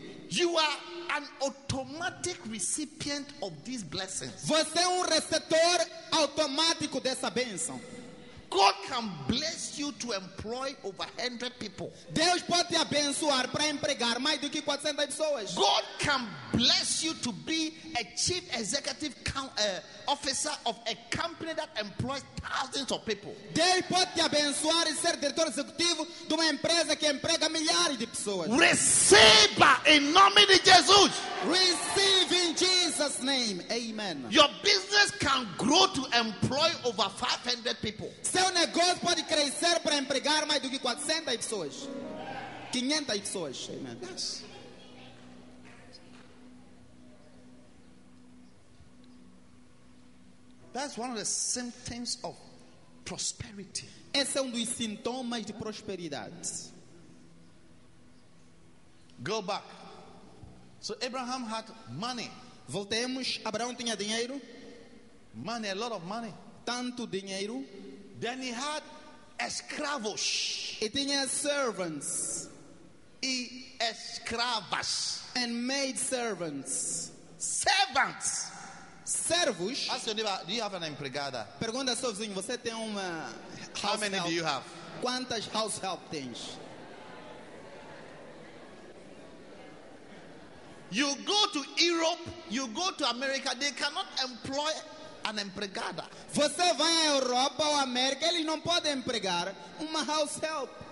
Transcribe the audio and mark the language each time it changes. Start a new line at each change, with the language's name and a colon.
English: You are an automatic recipient of these blessings.
Portuguese: Você é receptor automático dessa bênção.
English: God can bless you to employ over 100 people.
Portuguese: Deus pode te abençoar para empregar mais do que 400 pessoas.
English: God can bless you to be a chief executive officer of a company that employs thousands of people.
Portuguese: Deus pode te abençoar e ser diretor executivo de uma empresa que emprega milhares de pessoas. Receba em nome de Jesus.
English: Receive in Jesus' name. Amen. Your business can grow to employ over 500 people.
Portuguese: Seu negócio pode crescer para empregar mais do que 400 pessoas. 500 pessoas. Amen.
English: Yes. That's one of the symptoms of prosperity.
Portuguese: Esse é dos sintomas de prosperidade.
English: Go back. So Abraham had money.
Portuguese: Voltemos, Abraão tinha dinheiro.
English: Money, a lot of money.
Portuguese: Tanto dinheiro.
English: Then he had escravos.
Portuguese: E tinha servants. E escravas.
English: And maid servants. Servants.
Portuguese: Servos.
English: Ask your neighbor, do you have an empregada?
Portuguese: Pergunta ao seu vizinho, você tem uma
English: house help? How many do you have?
Portuguese: Quantas house help tens?
English: You go to Europe, you go to America, they cannot employ an empregada.
Portuguese: Você vai à Europa ou à América, eles não podem empregar uma house help.